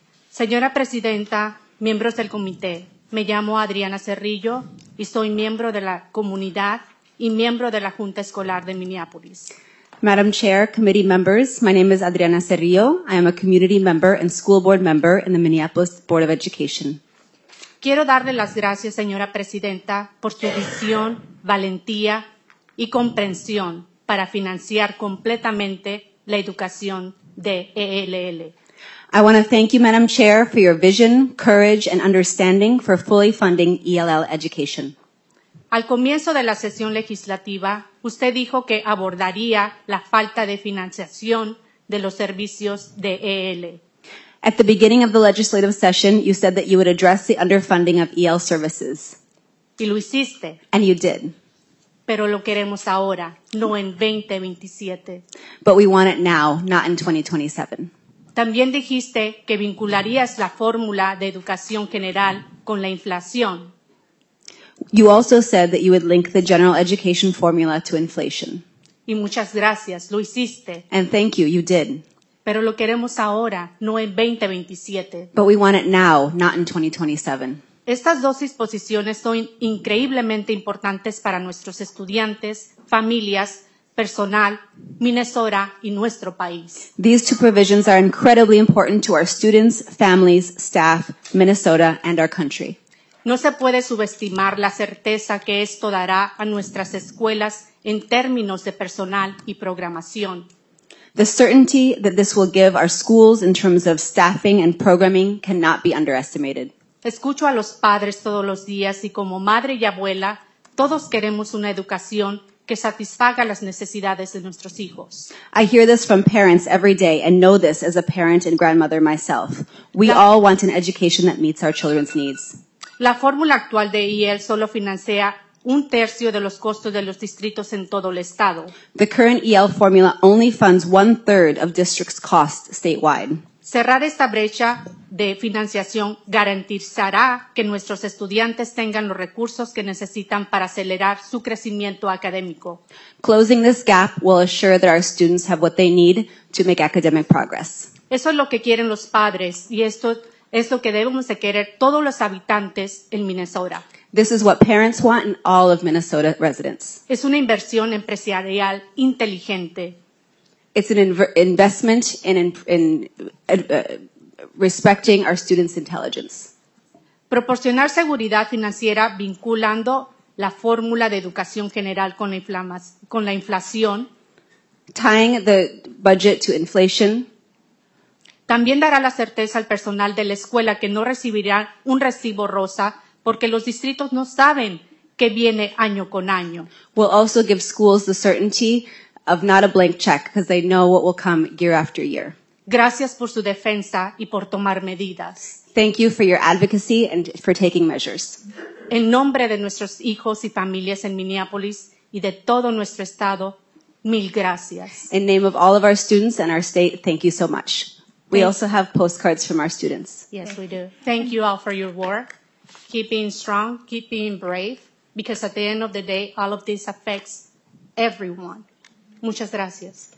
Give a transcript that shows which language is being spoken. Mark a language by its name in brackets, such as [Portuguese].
[Spanish] Señora Presidenta, miembros del comité, me llamo Adriana Cerrillo y soy miembro de la comunidad y miembro de la Junta Escolar de Minneapolis. [English] Madam Chair, committee members, my name is Adriana Cerrillo. I am a community member and school board member in the Minneapolis Board of Education. [Spanish] Quiero darle las gracias, señora Presidenta, por su visión, valentía y comprensión para financiar completamente la educación de ELL. [English] I want to thank you, Madam Chair, for your vision, courage, and understanding for fully funding ELL education. [Spanish] Al comienzo de la sesión legislativa, usted dijo que abordaría la falta de financiación de los servicios de EL. [English] At the beginning of the legislative session, you said that you would address the underfunding of EL services. [Spanish] Y lo hiciste. [English] And you did. [Spanish] Pero lo queremos ahora, no en 2027. [English] But we want it now, not in 2027. [Spanish] También dijiste que vincularías la fórmula de educación general con la inflación. [English] You also said that you would link the general education formula to inflation. [Spanish] Y muchas gracias, lo hiciste. [English] And thank you, you did. [Spanish] Pero lo queremos ahora, no en 2027. [English] But we want it now, not in 2027. [Spanish] Estas dos disposiciones son increíblemente importantes para nuestros estudiantes, familias, personal, Minnesota, y nuestro país. [English] These two provisions are incredibly important to our students, families, staff, Minnesota, and our country. [Spanish] No se puede subestimar la certeza que esto dará a nuestras escuelas en términos de personal y programación. [English] The certainty that this will give our schools in terms of staffing and programming cannot be underestimated. [Spanish] Escucho a los padres todos los días y como madre y abuela, todos queremos una educación que satisfaga las necesidades de nuestros hijos. [English] I hear this from parents every day and know this as a parent and grandmother myself. We all want an education that meets our children's needs. [Spanish] La fórmula actual de EL solo financia un tercio de los costos de los distritos en todo el estado. [English] The current EL formula only funds one third of districts' costs statewide. [Spanish] Cerrar esta brecha de financiación garantizará que nuestros estudiantes tengan los recursos que necesitan para acelerar su crecimiento académico. [English] Closing this gap will assure that our students have what they need to make academic progress. [Spanish] Eso es lo que quieren los padres y esto es lo que debemos de querer todos los habitantes en Minnesota. [English] This is what parents want and all of Minnesota residents. [Spanish] Es una inversión empresarial inteligente. [English] It's an investment in respecting our students' intelligence. [Spanish] Proporcionar seguridad financiera vinculando la fórmula de educación general con la inflación. [English] Tying the budget to inflation. [Spanish] También dará la certeza al personal de la escuela que no recibirá un recibo rosa porque los distritos no saben qué viene año con año. [English] Will also give schools the certainty of not a blank check because they know what will come year after year. [Spanish] Gracias por su defensa y por tomar medidas. [English] Thank you for your advocacy and for taking measures. [Spanish] En nombre de nuestros hijos y familias en Minneapolis y de todo nuestro estado, mil gracias. [English] In name of all of our students and our state, thank you so much. We also have postcards from our students. Yes, we do. Thank you all for your work. Keep being strong, keep being brave, because at the end of the day, all of this affects everyone. [Spanish] Muchas gracias.